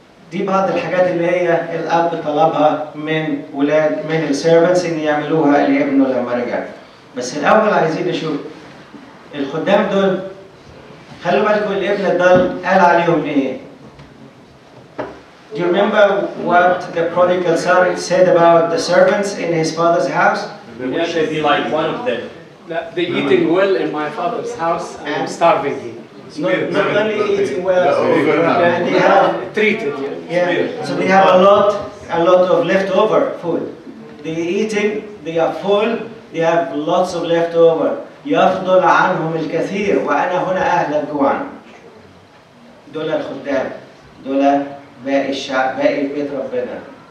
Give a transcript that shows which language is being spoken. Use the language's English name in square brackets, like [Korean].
[Arabic] دي بعض الحاجات اللي هي الأب طلبها من ولاد من السيرفنس إن يعملوها لابنه لما رجع. بس الأول عايزين نشوف الخدام دول، خلوا بالكم الابن دول قال عليهم إيه. [English] Do you remember what the prodigal son said about the servants in his father's house? They should be like one of them. They're eating well in my father's house and I'm starving him. Not only eating well, they have treated him. Yeah. So they have a lot of leftover food. They're eating, they are full, they have lots of leftover. [Arabic] يفضل عنهم الكثير وأنا هنا أهل الجوع. دول الخدام، دول باقي الشعب، باقي بيت ربنا.